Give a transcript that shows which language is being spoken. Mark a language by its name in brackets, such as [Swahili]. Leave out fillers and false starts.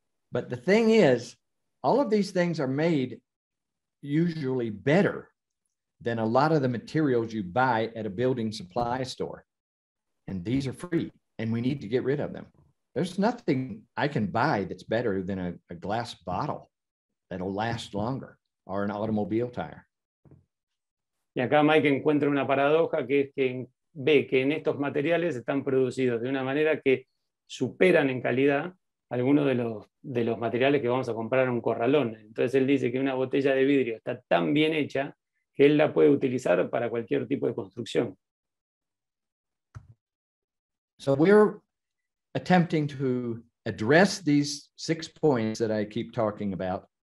[English] But the thing is, all of these things are made usually better than a lot of the materials you buy at a building supply store. And these are free, and we need to get rid of them. There's nothing I can buy that's better than a glass bottle that'll last longer, or an automobile tire. [Spanish] Y acá Mike encuentra una paradoja que es que ve que en estos materiales están producidos de una manera que superan en calidad algunos de los materiales que vamos a comprar en un corralón. Entonces él dice que una botella de vidrio está tan bien hecha que él la puede utilizar para cualquier tipo de construcción. [English] So we're attempting to address these six points that I keep talking about.